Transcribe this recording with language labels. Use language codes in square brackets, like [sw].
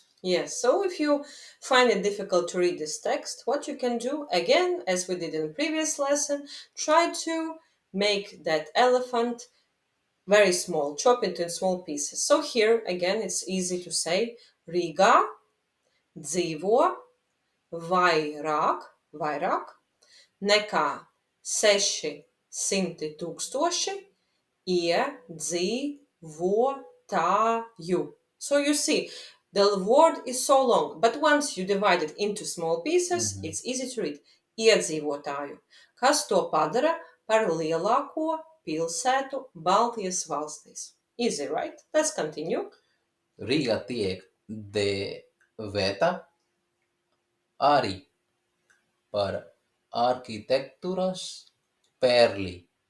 [en] Yes, so if you find it difficult to read this text, what you can do, again, as we did in the previous lesson, try to make that elephant very small, chop it in small pieces. So here, again, it's easy to say [lv] Riga dzīvo vairāk nekā 600 tūkstoši iedzīvotāju. [en] So you see, the word is so long, but once you divide it into small pieces, mm-hmm, it's easy to read. [lv] Iedzīvotāju, kas to padara par lielāko pilsētu Baltijas valstīs. [en] Easy, right? Let's continue. [lv] Riga tiek devēta arī par arhitektūras perli.